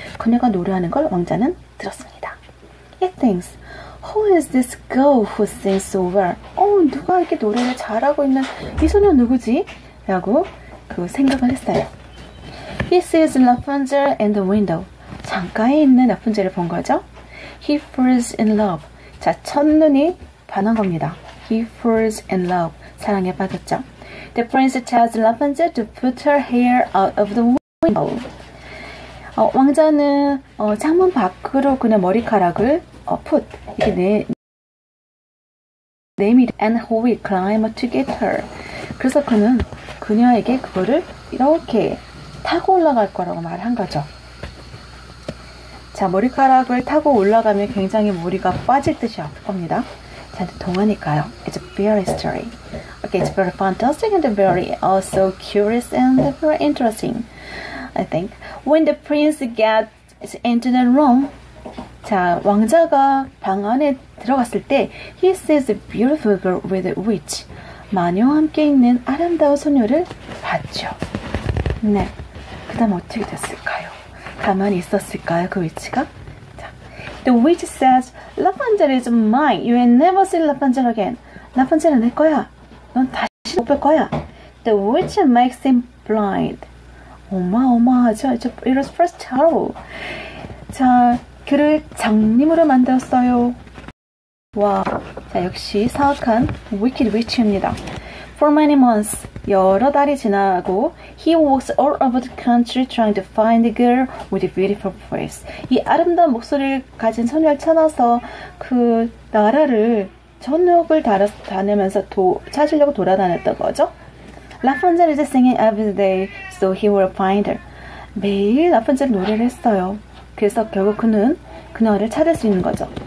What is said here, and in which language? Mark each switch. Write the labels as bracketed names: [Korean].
[Korean] 그녀가 노래하는 걸 왕자는 들었습니다. [English] He thinks, Who is this girl who sings so well? [Korean] 누가 이렇게 노래를 잘하고 있는 이 소녀 누구지? 라고 그 생각을 했어요. [English] He sees Rapunzel in the window. [Korean] 창가에 있는 라푼젤을 본 거죠. [English] He falls in love. [Korean] 자, 첫눈이 반한 겁니다. [English] He falls in love. [Korean] 사랑에 빠졌죠. [English] The prince tells Rapunzel to put her hair out of the window. [Korean] 왕자는 창문 밖으로 그냥 머리카락을 put 이렇게 내밀 [English] and he will climb to get her. [Korean] 그래서 그는 그녀에게 그거를 이렇게 타고 올라갈 거라고 말한 거죠. 자, 머리카락을 타고 올라가면 굉장히 머리가 빠질 듯이 아플 겁니다. 자, 동화니까요. [English] It's a very story. Okay, it's very fantastic and very also curious and very interesting, I think. When the prince gets into the room, [Korean] 자, 왕자가 방 안에 들어갔을 때 [English] he sees a beautiful girl with a witch. [Korean] 마녀와 함께 있는 아름다운 소녀를 봤죠. 네, 그 다음 어떻게 됐을까요? 가만히 있었을까요, 그 위치가? [English] 자, The witch says, Rapunzel is mine. You will never see Rapunzel again. [Korean] 라푼젤은 내 거야. 넌 다시 못 볼 거야. [English] The witch makes him blind. [Korean] 어마어마하죠? [English] It was first terrible. [Korean] 자, 그를 장님으로 만들었어요. 와, 자, 역시 사악한 wicked witch입니다. [English] For many months, [Korean] 여러 달이 지나고 [English] he walks all over the country trying to find a girl with a beautiful voice. [Korean] 이 아름다운 목소리를 가진 소녀를 찾아서 그 나라를 전역을 다니면서 찾으려고 돌아다녔던 거죠. [English] Rapunzel is singing every day so he will find her. [Korean] 매일 라푼젤 노래를 했어요. 그래서 결국 그는 그녀를 찾을 수 있는 거죠.